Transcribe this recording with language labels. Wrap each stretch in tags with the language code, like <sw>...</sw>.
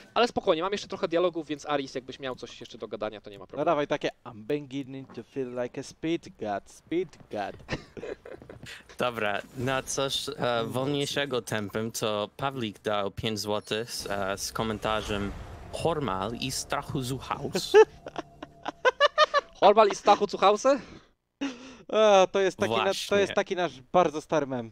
<pl>Ale spokojnie, mam jeszcze trochę dialogów, więc Alice, jakbyś miał coś jeszcze do gadania, to nie ma problemu. No dawaj takie,</pl> <en>I'm beginning to feel like a speed god, speed god.</en> <pl>Dobra, na coś wolniejszego tempem, to Pawlik dał 5 zł z komentarzem Hormal i strachu z uchaus. Hormal i Stachu Cuchause? To jest taki nasz bardzo stary mem.</pl>